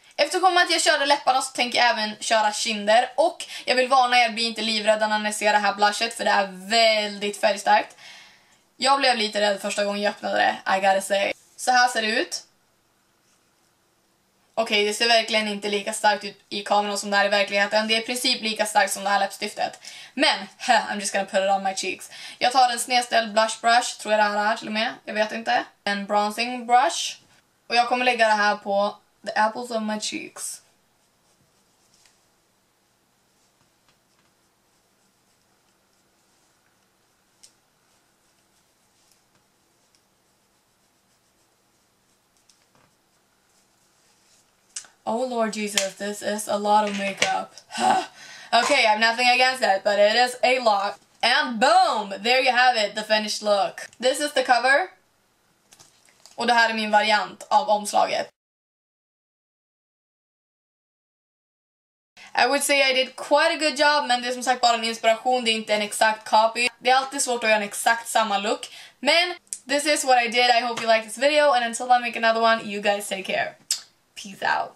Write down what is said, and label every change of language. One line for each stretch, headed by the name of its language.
Swedish: Eftersom att jag körde läpparna så tänker jag även köra kinder. Och jag vill varna er, bli inte livrädda när ni ser det här blushet. För det är väldigt färgstarkt. Jag blev lite rädd första gången jag öppnade det,
English: I gotta say.
Swedish: Så här ser det ut. Okej, det ser verkligen inte lika starkt ut i kameran som det här i verkligheten. Det är i princip lika starkt som det här läppstiftet.
English: Men, I'm just gonna put it on my cheeks.
Swedish: Jag tar en snedställd blush brush, tror jag det här är till och med. Jag vet inte. En bronzing brush. Och jag kommer lägga det här på
English: the apples of my cheeks. Oh Lord Jesus, this is a lot of makeup. Okay, I have nothing against that, but it is a lot. And boom! There you have it, the finished look. This is the cover.
Swedish: Och det här är min variant av omslaget.
English: I would say I did quite a good job,
Swedish: men det är som sagt bara en inspiration, det är inte en exakt copy. Det är alltid svårt att göra en exakt samma look.
English: Men, this is what I did. I hope you liked this video, and until I make another one, you guys take care. Peace out.